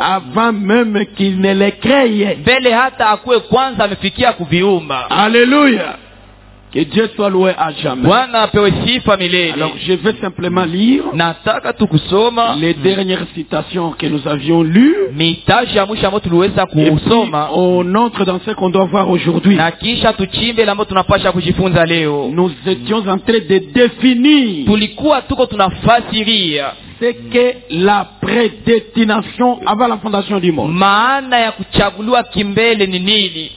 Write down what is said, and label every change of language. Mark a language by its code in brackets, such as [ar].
[fr] Avant même qu'il ne les crée. [sw] Mbele hata akuwe kwanza amefikia kuviumba. [fr] Alléluia. Que Dieu soit loué à jamais. [sw] Bwana apewe sifa milele. [fr] Alors je vais simplement lire. [sw] Nataka tukusoma. [fr] Les dernières citations que nous avions lues. [sw] Mitaji ya mwisho ambayo tuliweza kusoma. [fr] On entre dans ce qu'on doit voir aujourd'hui. [sw] Na kisha tuchimbe ambayo tunapasha kujifunza leo. [fr] Nous étions en train de définir. [sw] Tulikuwa tuko tunafasiria. [fr] C'est que la prédestination avant la fondation du monde. [sw] Maana ya kuchaguliwa kimbele ni nini?